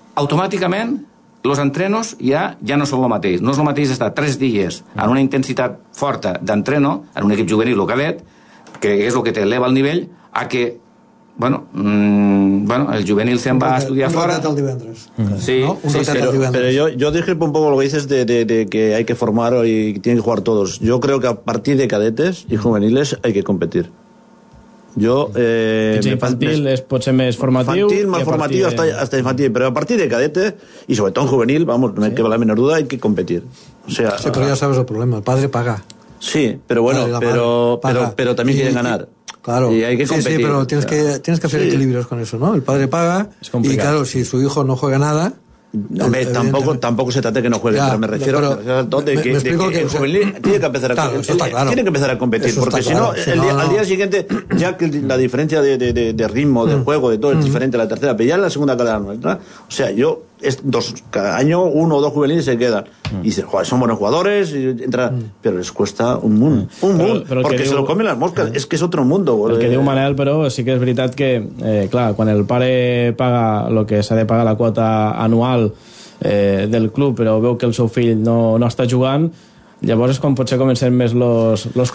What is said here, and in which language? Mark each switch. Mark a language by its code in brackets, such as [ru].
[ca] Automàticament, els entrenos ja no són el mateix. No és el mateix estar 3 dies en una intensitat forta d'entreno, en un equip juvenil o cadet, que és el que t'eleva el nivell, a que, bueno, el juvenil se'n va a estudiar un fora. Un ratat el divendres. Mm. Sí, no? Un sí, ratat el divendres. Però jo discrepo un poc el que [es] dices de que hay que formar y tienen que jugar todos. Yo creo que a partir de cadetes y juveniles hay que competir. [ca] Jo, infantil és potser més formatiu. Infantil, més formatiu, hasta infantil. Però a partir de cadete, i sobretot juvenil, [es] vamos, sí. Que va la menor duda, hay que competir. O sea, sí, [ca] però ja [es] sabes el problema, el padre paga. [ca] Sí, però bueno, però també [es] quieren ganar. Claro, y hay que competir. Sí, pero tienes que hacer equilibrios con eso, ¿no? El padre paga, y claro, si su hijo no juega nada... Hombre, tampoco se trata de que no juegue, pero me refiero a donde que el juvenil tiene que empezar a competir. Tiene que empezar a competir, porque si no, al día siguiente, ya que la diferencia de ritmo, de juego, de todo, es diferente a la tercera, pero ya en la segunda cada año, o sea, yo, cada año uno o dos juveniles se quedan, y dicen, joder, son buenos jugadores, pero les cuesta un mundo, porque se lo comen las moscas, es que es otro mundo. [ca] El que diu Manel, però sí que és veritat que, clar, quan el pare paga el que s'ha de pagar la quota anual, del club, però veu que el seu fill no està jugant, llavors és quan potser comencen més los problemes,